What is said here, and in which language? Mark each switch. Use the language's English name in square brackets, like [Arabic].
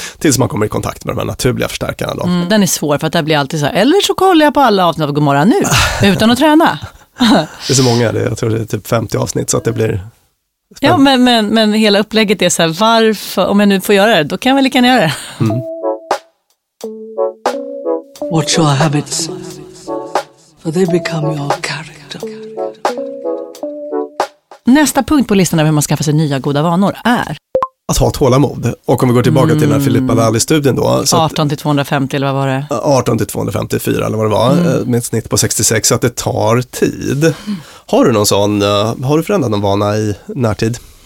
[Swedish] Tills man kommer i kontakt med de här naturliga förstärkarna då. Den är svår, för att det blir alltid så här, eller så kollar jag på alla avsnitt av Gomorra nu utan att träna. Det är så många, jag tror det är typ 50 avsnitt, så att det blir spännande. Ja, men hela upplägget är så här, varför, om jag nu får göra det, då kan jag väl lika gärna göra det. [English] Watch your habits, for they become your character. [Swedish] Nästa punkt på listan av hur man skaffar sig nya goda vanor är att ha tålamod. Och om vi går tillbaka till den här Filippa Lally-studien då. 18-250 eller vad var det? 18-254 eller vad det var. Med ett snitt på 66. Så att det tar tid. Har du någon sån, har du förändrat någon vana i närtid?